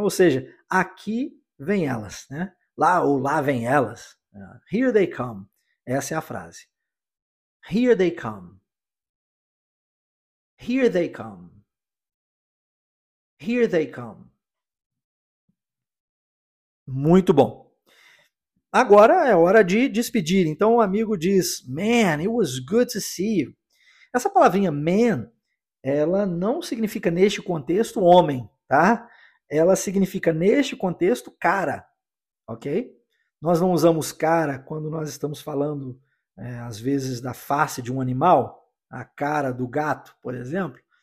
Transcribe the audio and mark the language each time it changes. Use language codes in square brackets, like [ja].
[pt] Ou seja, aqui vem elas, né? Lá ou lá vem elas. [en] Here they come. Essa é a frase. Here they come. [pt] Here they come. Here they come. Muito bom. Agora é hora de despedir. Então o amigo diz: [en] "Man, it was good to see you." [pt] Essa palavrinha man, ela não significa neste contexto homem, tá? Ela significa neste contexto cara, ok? Nós não usamos cara quando nós estamos falando, às vezes, da face de um animal, a cara do gato, por exemplo.